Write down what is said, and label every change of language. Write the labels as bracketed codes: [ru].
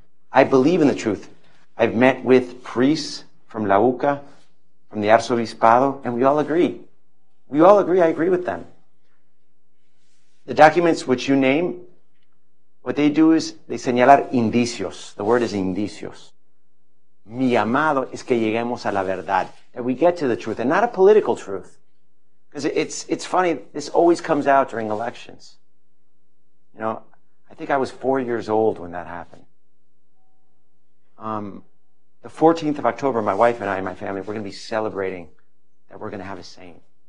[en] I believe in the truth. I've met with priests from La UCA, from the Arzobispado, and we all agree. We all agree. I agree with them. The documents which you name, what they do is they [es] señalar indicios. [en] The word is indicios. [es] Mi amado es que lleguemos a la verdad. [en] That we get to the truth and not a political truth. Because it's funny, this always comes out during elections. You know, I think I was 4 years old when that happened. The 14th of October, my wife and I and my family, we're going to be celebrating that we're going to have a saint.